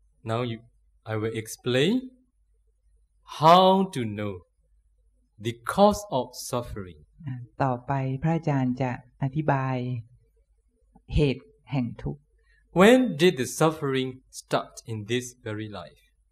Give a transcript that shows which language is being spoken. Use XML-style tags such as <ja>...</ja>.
<en>Now I will explain how to know the cause of suffering.</en> <th>ต่อไปพระอาจารย์จะอธิบายเหตุแห่งทุกข์</th> <en>When did the suffering start in this very life?</en>